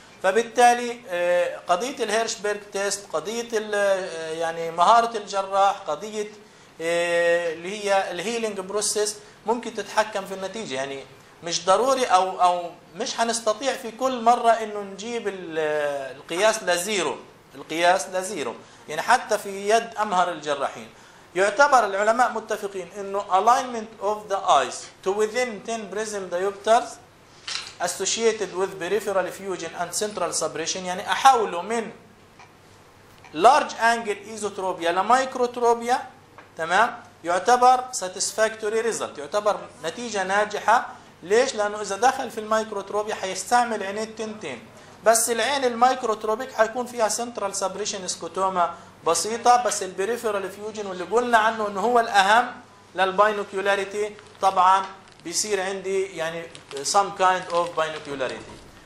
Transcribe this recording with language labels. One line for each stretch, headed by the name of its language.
Arabic: فبالتالي قضية الهيرشبيرغ تيست، قضية يعني مهارة الجراح، قضية اللي هي الهيلينج بروسس ممكن تتحكم في النتيجة. يعني مش ضروري او مش هنستطيع في كل مره انه نجيب القياس لزيرو، القياس لزيرو يعني حتى في يد امهر الجراحين. يعتبر العلماء متفقين انه
English: alignment of the eyes to within 10 prism diopters associated with peripheral effusion and central suppression
Arabic: يعني احاوله من
English: large angle isotropia
Arabic: لميكروتروبيا تمام يعتبر
English: satisfactory result،
Arabic: يعتبر نتيجه ناجحه. ليش؟ لانه اذا دخل في المايكروتروبيا حيستعمل عينين التنتين، بس العين المايكروتروبيك حيكون فيها سنترال سبريشن سكوتوما بسيطه، بس البريفيرال فيوجن واللي قلنا عنه انه هو الاهم للباينوكيولاريتي طبعا بيصير عندي يعني
English: Some kind of binocularity.